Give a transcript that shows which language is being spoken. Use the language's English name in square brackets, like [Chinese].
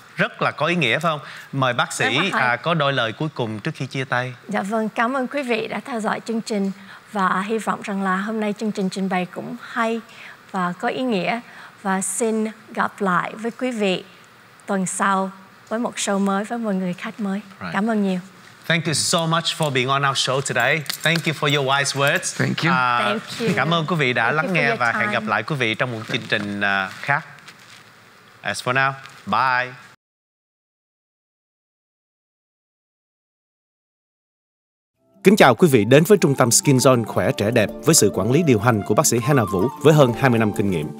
[Vietnamese] Rất là có ý nghĩa, phải không? Mời bác sĩ có đôi lời cuối cùng trước khi chia tay. Dạ vâng, cảm ơn quý vị đã theo dõi chương trình, và hy vọng rằng là hôm nay chương trình trình bày cũng hay và có ý nghĩa. Và xin gặp lại với quý vị tuần sau với một show mới, với một người khách mới. [English] Right. [Vietnamese] Cảm ơn nhiều. [English] Thank you so much for being on our show today. Thank you for your wise words. Thank you. Thank you. [Vietnamese] Cảm ơn quý vị đã [English] thank [Vietnamese] lắng nghe và [English] time. [Vietnamese] Hẹn gặp lại quý vị trong một chương trình khác. [English] As for now, bye. [Vietnamese] Kính chào quý vị đến với trung tâm Skin Zone khỏe trẻ đẹp với sự quản lý điều hành của bác sĩ Hana Vũ với hơn 20 năm kinh nghiệm.